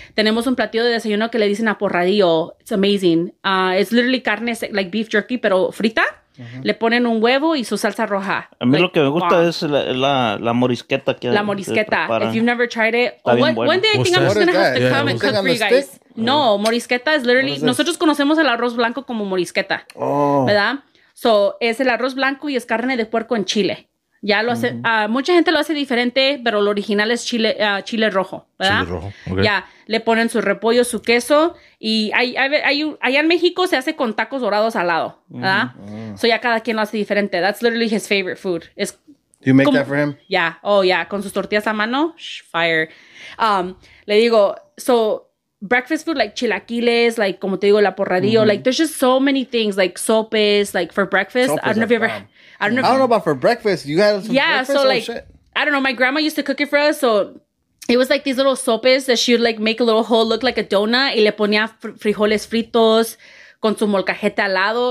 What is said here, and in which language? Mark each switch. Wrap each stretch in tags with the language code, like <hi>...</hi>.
<es>Tenemos un platillo de desayuno que le dicen aporradillo.</es> <en>It's amazing. It's literally carne, like beef jerky,</en> <es>pero frita.</es> <en>Uh-huh.</en> <es>Le ponen un huevo y su salsa roja. A mí, like, lo que me gusta es la morisqueta. La morisqueta.</es> <en>If you've never tried it, one day I think I'm just going to have to come and cook for you guys.</en> <es>No,</es> <en>morisqueta is literally,</en> <es>nosotros conocemos el arroz blanco como morisqueta.</es> <en>Oh.</en> <es>¿Verdad? So, es el arroz blanco y es carne de puerco en chile. Ya lo hace, mucha gente lo hace diferente, pero lo original es chile rojo, ¿verdad? Chile rojo, okay. Ya, le ponen su repollo, su queso, y allá en México se hace con tacos dorados al lado, ¿verdad? So ya cada quien lo hace diferente.</es> <en>That's literally his favorite food.</en> <es>Es,</es> <en>do you make that for him? Yeah, oh yeah,</en> <es>con sus tortillas a mano,</es> <en>fire.</en> <es>Le digo,</es> <en>so, breakfast food, like chilaquiles, like,</en> <es>como te digo,</es> <en>la porradillo, like, there's just so many things, like sopes, like, for breakfast. Sopes, I don't know if you've ever... I don't know about for breakfast. You had some breakfast? So, like, shit? I don't know. My grandma used to cook it for us. So it was like these little sopes that she would like make a little hole look like a donut.</en> <es>Y le ponía frijoles fritos con su molcajete al lado.</es>